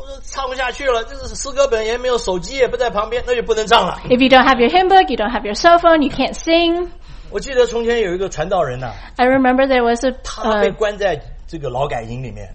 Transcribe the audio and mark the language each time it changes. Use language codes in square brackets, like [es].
[zh] 唱不下去了，就是诗歌本也没有手机，也不在旁边，那就不能唱了。 [en] If you don't have your hymn book, you don't have your cell phone, you can't sing. [zh] 我记得从前有一个传道人呐、 [en] 啊。I remember there was a [zh] 他被关在这个劳改营里面。